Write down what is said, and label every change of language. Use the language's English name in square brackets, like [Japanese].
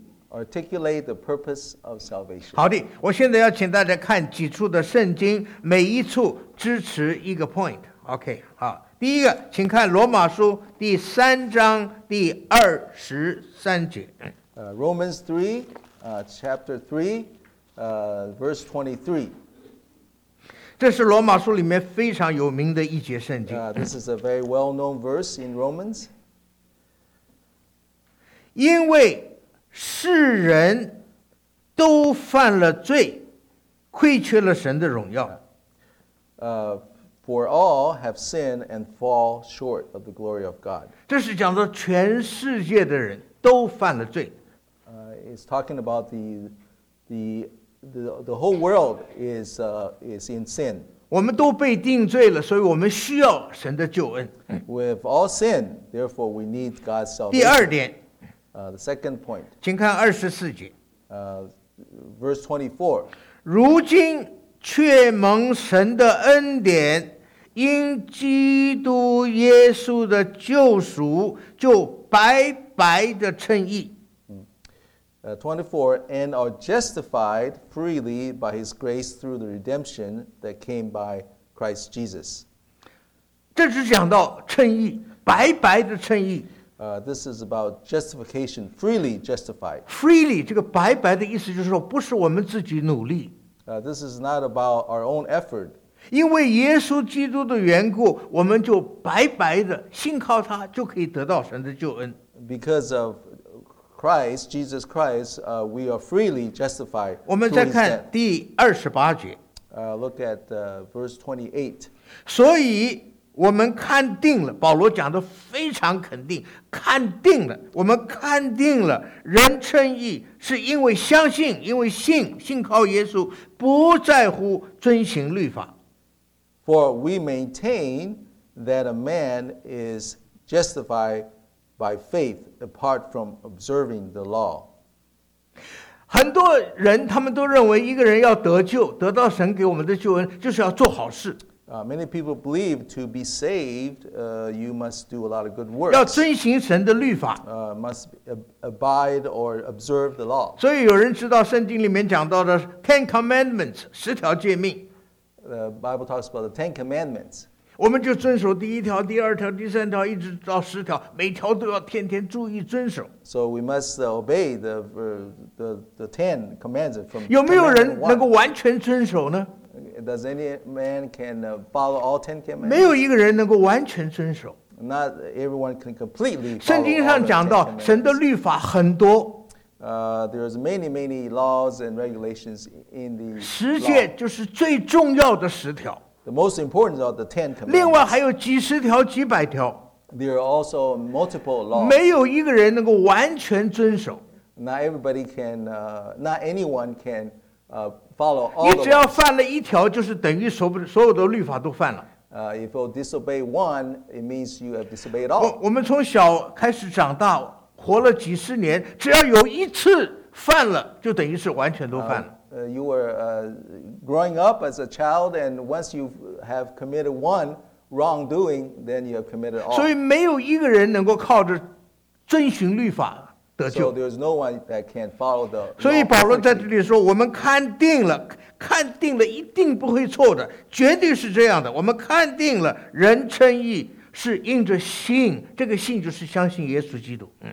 [English] Articulate the purpose of salvation. [Chinese] 好的，我现在要请大家看几处的圣经，每一处支持一个 point. OK, 好，第一个，请看罗马书第三章第二十三节。 [English] Romans 3, chapter 3, verse 23. [Chinese] 这是罗马书里面非常有名的一节圣经。 [English] This is a very well-known verse in Romans. [Chinese] 因为世人都犯了罪，亏缺了神的荣耀。 [English] For all have sinned and fall short of the glory of God. [Chinese] 这是讲到全世界的人都犯了罪。 [English] It's talking about the whole world is in sin. [Chinese] 我们都被定罪了，所以我们需要神的救恩。 [English] We have all sinned, therefore we need God's salvation. [Chinese] 第二点， [English] the second point. [Chinese] 请看二十四节。 [English] Verse 24. [Chinese] 如今却蒙神的恩典，因基督耶稣的救赎，就白白的称义。 [English] 24, and are justified freely by his grace through the redemption that came by Christ Jesus. [Chinese] 这只讲到称义，白白的称义。 [English] This is about justification, freely justified. [Chinese] Freely, 这个白白的意思就是说不是我们自己努力。 [English] This is not about our own effort. [Chinese] 因为耶稣基督的缘故，我们就白白的信靠他，就可以得到神的救恩。 [English] Because of Christ, Jesus Christ, we are freely justified. [Chinese] 我们再看第二十八节。 [English] Look at verse 28. [Chinese] 所以我们看定了，保罗讲的非常肯定，看定了，我们看定了，人称义是因为相信，因为信，信靠耶稣，不在乎遵行律法。 [English] For we maintain that a man is justified by faith apart from observing the law. [Chinese] 很多人他们都认为一个人要得救，得到神给我们的救恩，就是要做好事。 [English] Many people believe to be saved, you must do a lot of good works. [Chinese] 要遵行神的律法。 [English] Must abide or observe the law. [Chinese] 所以有人知道圣经里面讲到的 Ten Commandments, 十条诫命。 [English] The Bible talks about the Ten Commandments. [Chinese] 我们就遵守第一条、第二条、第三条，一直到十条，每条都要天天注意遵守。 [English] So we must obey the Ten Commands from. [Chinese] 有没有人能够完全遵守呢？ [English] Does any man can follow all ten commandments? [Chinese] 没有一个人能够完全遵守。 [English] Not everyone can completely follow. [Chinese] 圣经上讲到神的律法很多。 [English] There's many laws and regulations in the. [Chinese] 十诫就是最重要的十条。 [English] The most important are the ten commandments. [Chinese] 另外还有几十条、几百条。 [English] There are also multiple laws. [Chinese] 没有一个人能够完全遵守。 [English] Not anyone can. Follow all the laws. [Chinese] 你只要犯了一条，就是等于所有的律法都犯了。 [English] If you disobey one, it means you have disobeyed all. [Chinese] 我们从小开始长大，活了几十年，只要有一次犯了，就等于是完全都犯了。 [English] You were growing up as a child, and once you have committed one wrongdoing, then you have committed all. [Chinese] 所以没有一个人能够靠着遵循律法。 [English] So there's no one that can follow the. [Chinese] 所以保罗在这里说，我们看定了，看定了，一定不会错的，绝对是这样的。我们看定了，人称义是因着信，这个信就是相信耶稣基督。